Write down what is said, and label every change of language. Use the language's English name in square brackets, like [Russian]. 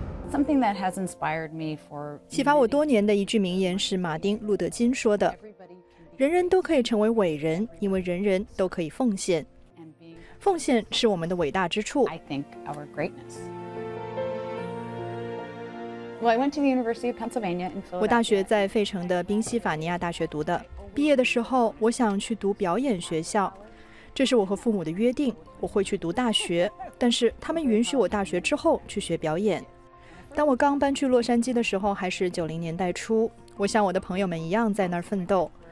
[English] Something that has inspired me for [Chinese] 启发我多年的一句名言是马丁·路德·金说的，人人都可以成为伟人，因为人人都可以奉献。奉献是我们的伟大之处。 [English] I think our greatness. Well, I went to the University of Pennsylvania in Philadelphia. [Chinese] 我大学在费城的宾夕法尼亚大学读的。毕业的时候，我想去读表演学校，这是我和父母的约定，我会去读大学。但是他们允许我大学之后去学表演。当我刚搬去洛杉矶的时候，还是90年代初，我像我的朋友们一样在那儿奋斗。